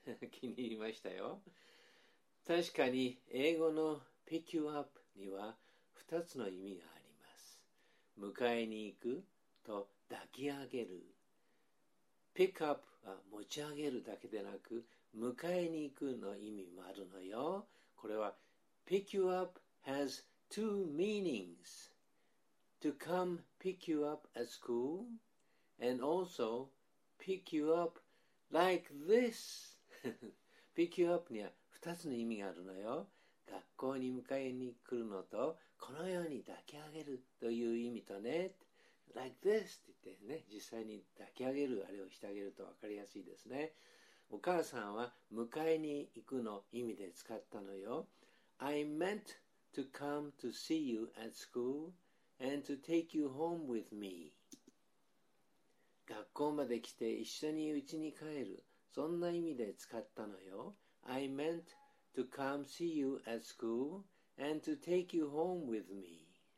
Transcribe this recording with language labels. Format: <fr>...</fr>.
<ja>気に入りましたよ。確かに英語の Pick you up には2つの意味があります。迎えに行くと抱き上げる。 Pick up は持ち上げるだけでなく、迎えに行くの意味もあるのよ。</ja> <en>これは Pick you up has two meanings: to come pick you up at school and also pick you up like this.</en> <ja>Pick you up には2つの意味があるのよ。学校に迎えに来るのと、このように抱き上げるという意味とね。 Like this って言ってね、実際に抱き上げる、あれをしてあげると分かりやすいですね。お母さんは迎えに行くの意味で使ったのよ。</ja> <en>I meant to come to see you at school and to take you home with me.</en> <ja>学校まで来て一緒に家に帰る、そんな意味で使ったのよ。</ja> <en>I meant to come see you at school and to take you home with me.</en>